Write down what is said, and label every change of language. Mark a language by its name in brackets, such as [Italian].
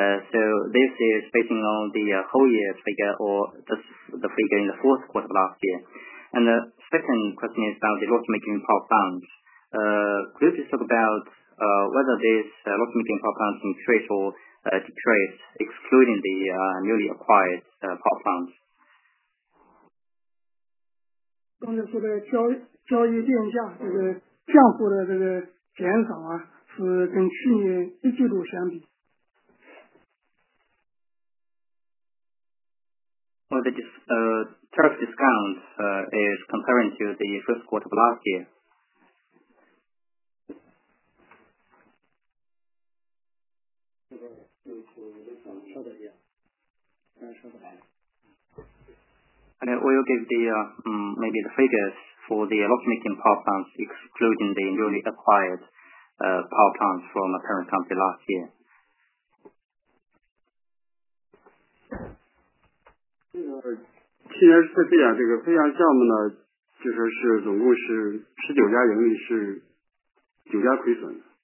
[English] So this is based on the whole year figure or the figure in the fourth quarter of last year. And the second question is about the loss-making power plants. Could you please talk about whether this loss-making power plants increase or decrease, excluding the newly acquired power plants? [Chinese] 刚才说的交易电价这个降幅的这个减少啊，是跟去年一季度相比。 [English] Well, the tariff discount is comparing to the first quarter of last year. And then we'll give the maybe the figures for the loss-making power plants, excluding the newly acquired power plants from a parent company last year. [Chinese] TSCP 啊，这个飞翔项目呢，就说是总共是19家盈利，是9家亏损。